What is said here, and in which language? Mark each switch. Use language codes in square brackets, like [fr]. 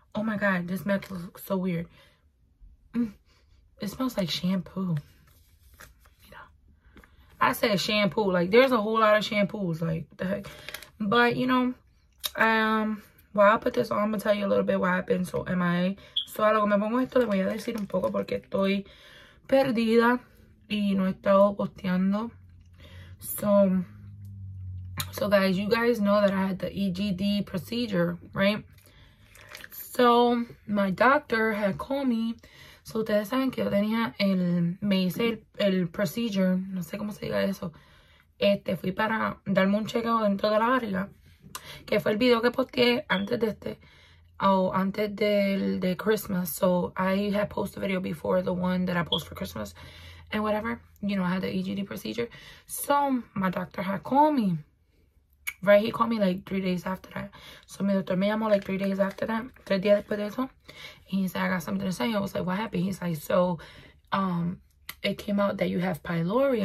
[en] Oh my god, this mask looks so weird. It smells like shampoo. I said shampoo. Like, there's a whole lot of shampoos. Like, the heck. But, you know, while I put this on, I'm going to tell you a little bit what happened. So, am I? [es] So, a lo que me pongo esto, le voy a decir un poco porque estoy perdida y no he estado posteando. [en] So, guys, you guys know that I had the EGD procedure, right? So, my doctor had called me. [es] So, ustedes saben que yo tenía el, me hice el procedure, no sé cómo se diga eso. Fui para darme un chequeo dentro de la barriga, que fue el video que posteé antes de este, antes del, de Christmas. [en] So, I had posted a video before the one that I post for Christmas and whatever. You know, I had the EGD procedure. So, my doctor had called me. Right, he called me like 3 days after that. So, [es] mi doctor me llamó [en] like 3 days after that. [es] 3 días después de eso. [en] And he said, I got something to say. I was like, what happened? He's like, so, it came out that you have pylori.